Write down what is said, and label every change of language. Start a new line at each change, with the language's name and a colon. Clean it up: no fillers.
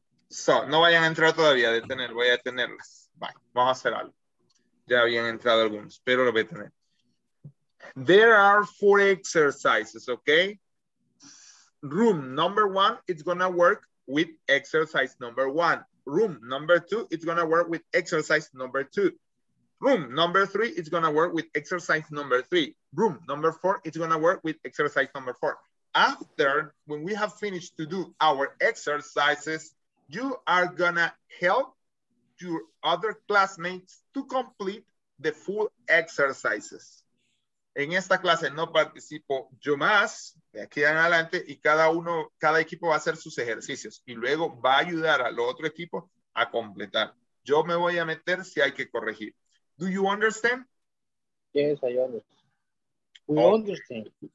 Spanish: So, no vayan a entrar todavía, voy a detenerlas. Bye. Vamos a hacer algo. Ya habían entrado algunos, pero lo voy a tener.
English: There are four exercises, okay? Room number one, it's gonna work with exercise number one. Room number two, it's gonna work with exercise number two. Room number three, it's gonna work with exercise number three. Room number four, it's gonna work with exercise number four. After, when we have finished to do our exercises, you are gonna help your other classmates to complete the full exercises.
Spanish: En esta clase no participo yo más, de aquí en adelante, y cada equipo va a hacer sus ejercicios y luego va a ayudar al otro equipo a completar. Yo me voy a meter si hay que corregir.
English: Do you understand? Yes, I understand.